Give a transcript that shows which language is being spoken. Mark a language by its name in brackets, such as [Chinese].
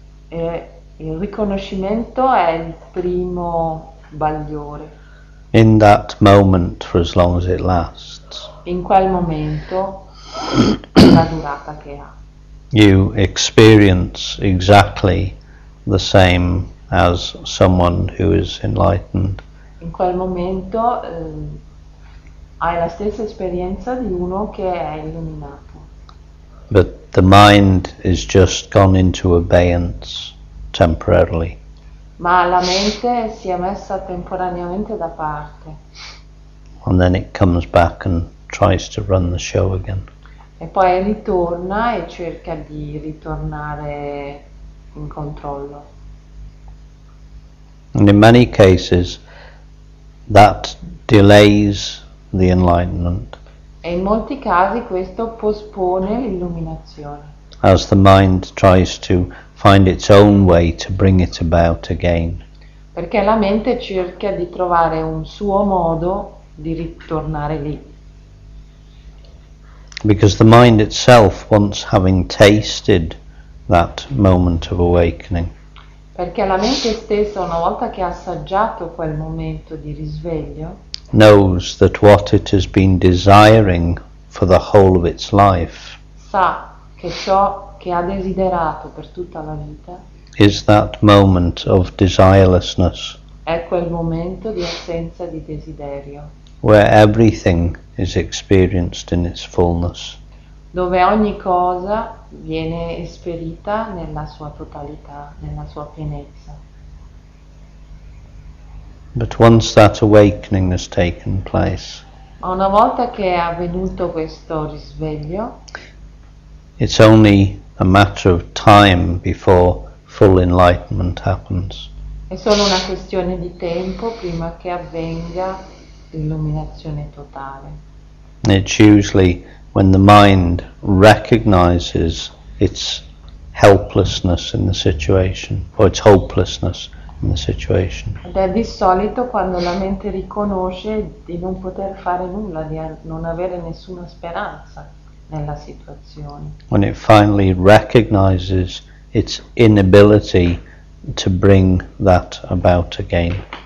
[Italian] Il riconoscimento è il primo bagliore. [English] In that moment, for as long as it lasts. [Italian] In quel momento, la durata che ha. [English] You experience exactly the same as someone who is enlightened. [Italian] In quel momento, hai la stessa esperienza di uno che è illuminato. [English] But the mind is just gone into abeyance temporarily. [Italian] Ma la mente si è messa temporaneamente da parte. [English] And then it comes back and tries to run the show again. [Italian] E poi ritorna e cerca di ritornare in controllo. [English] And in many cases that delays the enlightenment. [Italian] E in molti casi questo pospone l'illuminazione. [English] As the mind tries to find its own way to bring it about again. [Italian] Perché la mente cerca di trovare un suo modo di ritornare lì. [English] Because the mind itself, once having tasted that moment of awakening. [Italian] Perché la mente stessa, una volta che ha assaggiato quel momento di risveglio, [English] knows that what it has been desiring for the whole of its life, [Italian] sa che ciò che ha desiderato per tutta la vita, [English] is that moment of desirelessness, [Italian] è quel momento di assenza di desiderio, [English] where everything is experienced in its fullness, [Italian] dove ogni cosa viene esperita nella sua totalità, nella sua pienezza. [English] But once that awakening has taken place, [Italian] una volta che è avvenuto questo risveglio, [English] it's only a matter of time before full enlightenment happens. [Italian] È solo una questione di tempo prima che avvenga l'illuminazione totale. [English] It's usually when the mind recognizes its helplessness in the situation, or its hopelessness. In the situation. [Italian] Ed è di solito quando la mente riconosce di non poter fare nulla, di non avere nessuna speranza nella situazione. [English] When it finally recognizes its inability to bring that about again.